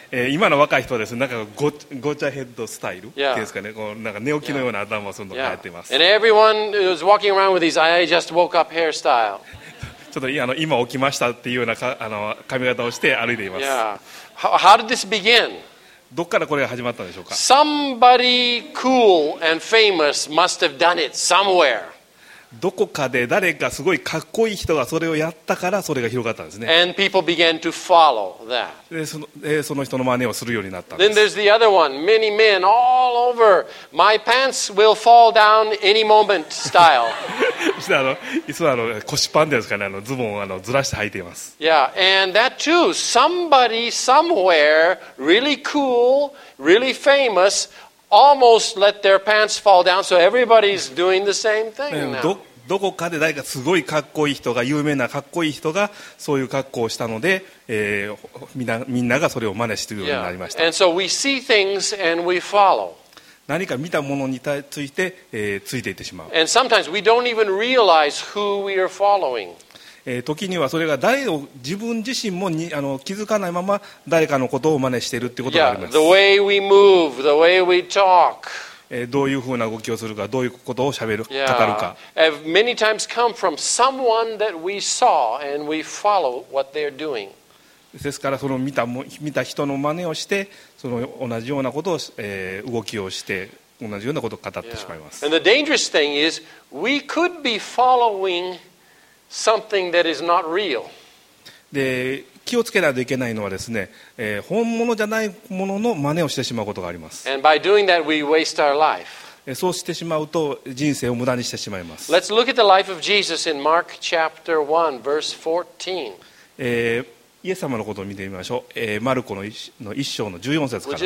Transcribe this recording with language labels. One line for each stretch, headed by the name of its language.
Japanese: 今の若い人はですね、なんかゴチャヘッドスタイルですかね、
English: yeah.
Japanese: こうなんか寝起きのような頭をするのが流行っています。
English: Yeah. And everyone is walking around with his I just woke up hairstyle.
Japanese: ちょっと今起きましたっていうような髪型をして歩いています。
English: Yeah. How did this begin?
Japanese: どこからこれが始まったんでしょうか。
English: Somebody cool and famous must have done it somewhere.
Japanese: どこかで誰かすごいかっこいい人がそれをやったからそれが広がったんですね。
English: And people began to follow that.
Japanese: その人の真似をするようになったんです。
English: Then there's the other one. Many men all over. My pants will fall down any moment style.
Japanese: いつも腰パンですかね。ズボンをずらして履いています。
English: Yeah, and that too. Somebody somewhere really cool, really famous, almost let their pants fall down. So everybody's doing the same thing now.
Japanese: どこかで誰かすごいかっこいい人が有名なかっこいい人がそういう格好をしたので、みんながそれを真似しているようになりました。
English: Yeah. And so we see things and we follow.
Japanese: 何か見たものについて、ついていってしまう。
English: And sometimes we don't even realize who we are following.
Japanese: 時にはそれが誰を自分自身もに気づかないまま誰かのことを真似しているっていうことがあります。
English: Yeah, the way we move, the way we talk.
Japanese: どういうふうな動きをするか、どういうことを喋る、語るか。
English: Yeah, many times come from someone that we saw and we follow what they're doing.
Japanese: ですからその見た人の真似をしてその同じようなことを、動きをして同じようなことを語ってしまいます。
English: And the dangerous thing is we could be following something that is not real.
Japanese: で気をつけないといけないのはですね、本物じゃないものの真似をしてしまうことがあります。
English: And by doing that we waste our life.
Japanese: そうしてしまうと人生を無駄にしてしまいます。
English: Let's look at the life of Jesus in Mark chapter 1 verse 14.
Japanese: イエス様のことを見てみましょう。マルコの1章の14節からです。